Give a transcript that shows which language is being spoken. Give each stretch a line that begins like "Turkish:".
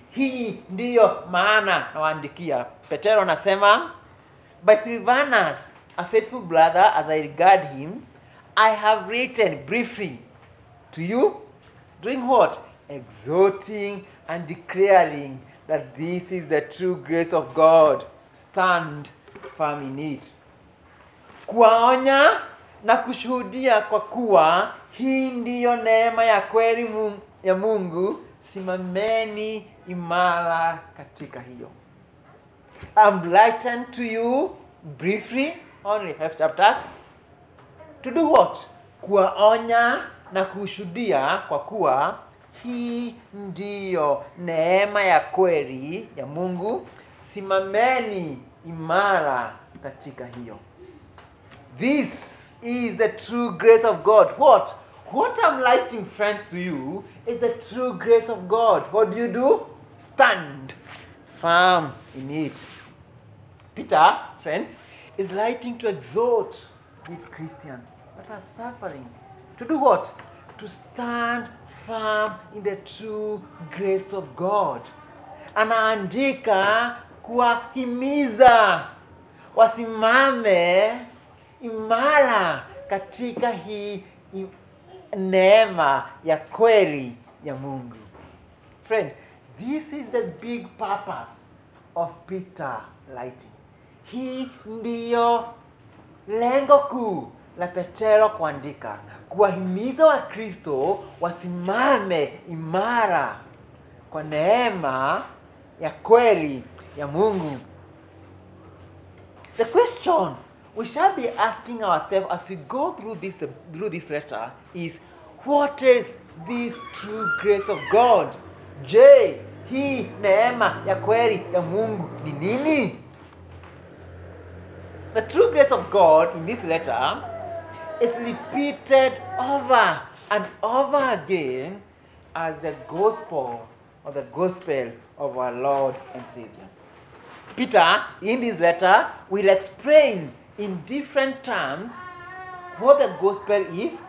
Swahili: Hii ndiyo maana nawaandikia. Petero nasema,
English: by Silvanus, a faithful brother, as I regard him, I have written briefly to you, doing what? Exhorting and declaring that this is the true grace of God. Stand firm in it.
Swahili: Kuwaonya na kushuhudia kwa kuwa, hii ndiyo neema ya kweli ya Mungu, simameni imara katika hiyo.
English: I'm writing to you briefly, only 5 chapters, to do what?
Swahili: Kuwaonya na kushuhudia kwa kuwa, hii ndiyo neema ya kweli ya Mungu, simameni imara katika hiyo.
English: This is the true grace of God. What? What I'm writing, friends, to you is the true grace of God. What do you do? Stand firm in it. Peter, friends, is writing to exhort these Christians that are suffering to do what? To stand firm in the true grace of God.
Swahili: Anaandika kuwahimiza wasimame imara katika hii neema ya kweli ya Mungu.
English: Friend, this is the big purpose of Peter writing.
Swahili: Hii ndiyo lengo kuu la Petero kuandika, kuwahimiza wa Kristo wasimame imara kwa neema ya kweli ya Mungu.
English: The question we shall be asking ourselves as we go through this letter is, what is this true grace of God?
Swahili: Je, hii neema ya kweli ya Mungu ni nini?
English: The true grace of God in this letter is repeated over and over again as the gospel or the gospel of our Lord and Savior. Peter, in this letter, will explain in different terms what the gospel is.